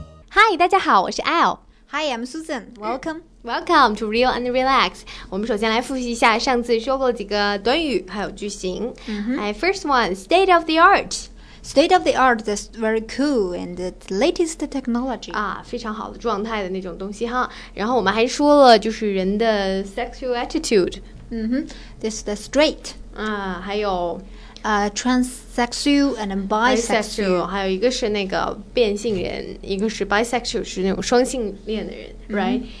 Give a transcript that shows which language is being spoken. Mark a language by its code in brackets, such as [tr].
[en] Hi, [zh] 大家好，我是 Al。 [en] Hi, I'm Susan. Welcome. Welcome to Real and Relax. [zh] 我们首先来复习一下上次说过几个短语还有句型。 [en] First one, state of the art. State of the art, that's very cool and the latest technology. [zh] 啊，非常好的状态的那种东西哈。然后我们还说了就是人的 [en] sexual attitude. That's the straight. [zh] 啊，还有 [en] transsexual and bisexual， [zh] 还有一个是那个变性人，一个是 bisexual， 是那种双性恋的人、 [en] right?